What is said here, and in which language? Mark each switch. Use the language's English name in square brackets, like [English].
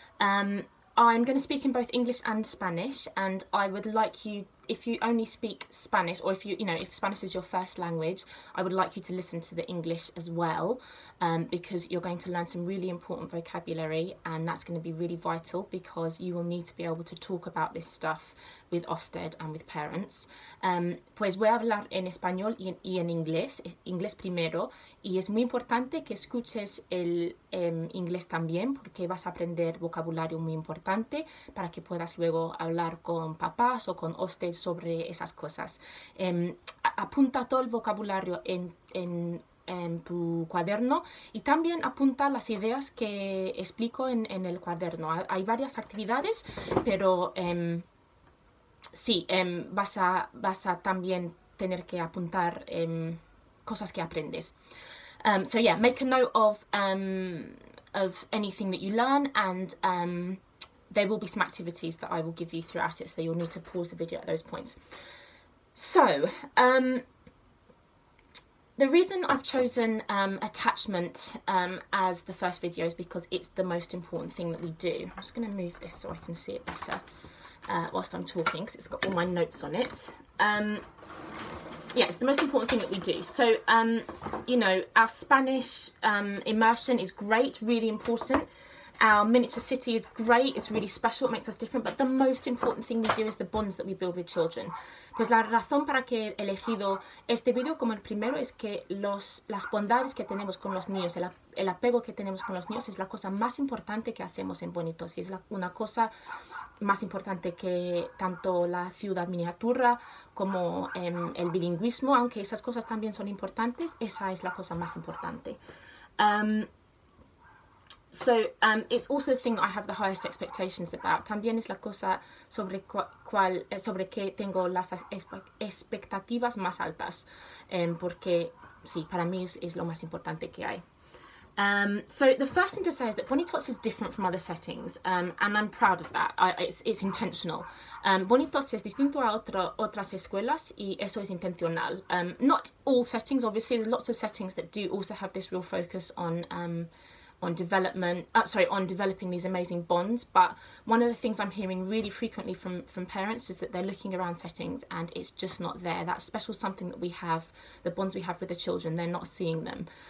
[English] I'm going to speak in both English and Spanish, and I would like you, if you only speak Spanish, or if you, you know, if Spanish is your first language, I would like you to listen to the English as well, because you're going to learn some really important vocabulary, and that's going to be really vital because you will need to be able to talk about this stuff with Ofsted and with parents. [Spanish] Pues voy a hablar en español y en inglés, inglés primero, y es muy importante que escuches el inglés también, porque vas a aprender vocabulario muy importante para que puedas luego hablar con papás o con Ofsted sobre esas cosas. Apunta todo el vocabulario en tu cuaderno y también apunta las ideas que explico en el cuaderno. Hay varias actividades, pero vas a también tener que apuntar cosas que aprendes. [English] So yeah, make a note of anything that you learn, and there will be some activities that I will give you throughout it, so you'll need to pause the video at those points. So, the reason I've chosen attachment as the first video is because it's the most important thing that we do. I'm just going to move this so I can see it better whilst I'm talking, because it's got all my notes on it. Yeah, it's the most important thing that we do. So, you know, our Spanish immersion is great, really important. Our miniature city is great, it's really special, it makes us different, but the most important thing we do is the bonds that we build with children. [Spanish] Pues la razón para que he elegido este video como el primero es que las bondades que tenemos con los niños, el apego que tenemos con los niños es la cosa más importante que hacemos en Bonitos, y es una cosa más importante que tanto la ciudad miniatura como el bilingüismo, aunque esas cosas también son importantes, esa es la cosa más importante. [English] So it's also the thing I have the highest expectations about. [Spanish] También es la cosa sobre que tengo las expectativas más altas, porque sí, para mí es lo más importante que hay. [English] So the first thing to say is that Bonnie Tots is different from other settings, and I'm proud of that. It's intentional. [Spanish] Bonnie Tots es distinto a otras escuelas, y eso es intencional. [English] Not all settings, obviously. There's lots of settings that do also have this real focus on developing these amazing bonds, but one of the things I'm hearing really frequently from parents is that they're looking around settings and it's just not there. That special something that we have, the bonds we have with the children, they're not seeing them.